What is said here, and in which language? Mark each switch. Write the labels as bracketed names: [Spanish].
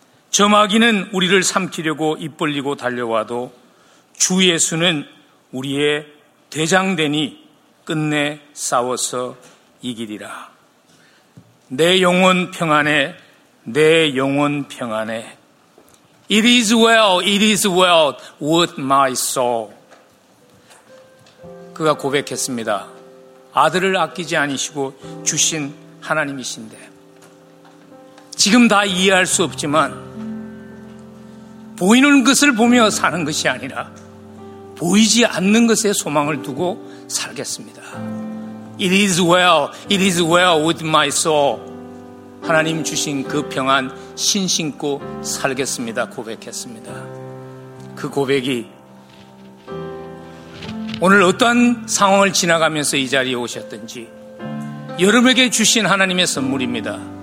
[Korean] 점악이는 우리를 삼키려고 입 벌리고 달려와도 주 예수는 우리의 대장되니 끝내 싸워서 이기리라. 내 영혼 평안해, 내 영혼 평안해. [English] It is well, it is well with my soul. [Korean] 그가 고백했습니다. 아들을 아끼지 아니시고 주신 하나님이신데 지금 다 이해할 수 없지만 보이는 것을 보며 사는 것이 아니라 보이지 않는 것에 소망을 두고 살겠습니다. [English] It is well, it is well with my soul. [Korean] 하나님 주신 그 평안 신신고 살겠습니다. 고백했습니다. 그 고백이 오늘 어떠한 상황을 지나가면서 이 자리에 오셨든지 여러분에게 주신 하나님의 선물입니다.